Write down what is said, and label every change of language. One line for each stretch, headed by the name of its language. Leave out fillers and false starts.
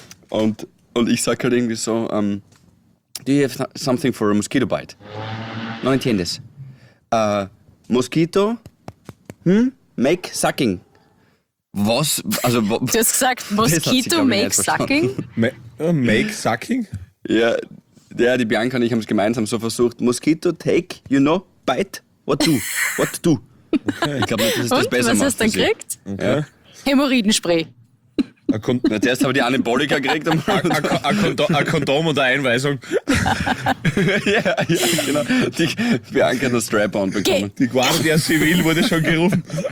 German: Und ich sag halt irgendwie so,
English: do you have something for a mosquito bite?
Spanish: No entiendes.
English: Mosquito? Make sucking.
German: Was? Also, du hast gesagt,
English: Mosquito make sucking? Make sucking?
German: Ja, die Bianca und ich haben es gemeinsam so versucht.
English: Mosquito take, you know, bite, what do? What do? Okay.
German: Ich glaube nicht, dass es das besser macht. Was hast du dann gekriegt? Okay. Hämorrhoidenspray. Zuerst habe ich die Anabolika gekriegt. Ein Kondom und eine Einweisung. ja, genau. Die Bianca hat einen Strap-on bekommen. Okay. Die Guardia Civil wurde schon gerufen.